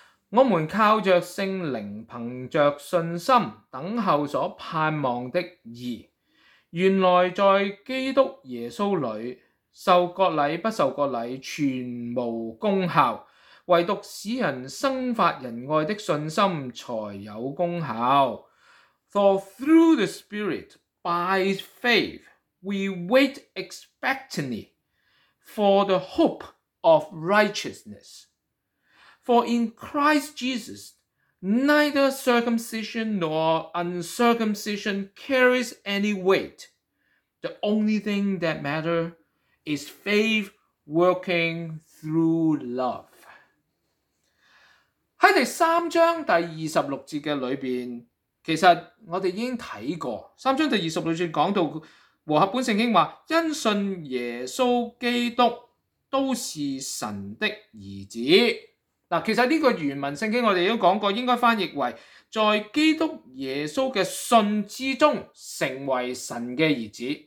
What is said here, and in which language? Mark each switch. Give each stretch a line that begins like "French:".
Chinese: 我们靠着圣灵，凭着信心，等候所盼望的义。原来在基督耶稣里，受割礼不受割礼全无功效，唯独使人生发仁爱的信心才有功效。
English: For through the Spirit, by faith, we wait expectantly for the hope of righteousness. For in Christ Jesus, neither circumcision nor uncircumcision carries any weight. The only thing that matters is faith working through love.
Chinese: 在第三章第二十六节的里面，其实我们已经看过，三章第二十六节讲到和合本圣经说，因信耶稣基督都是神的儿子。其实这个原文圣经我们也讲过，应该翻译为在基督耶稣的信之中成为神的儿子。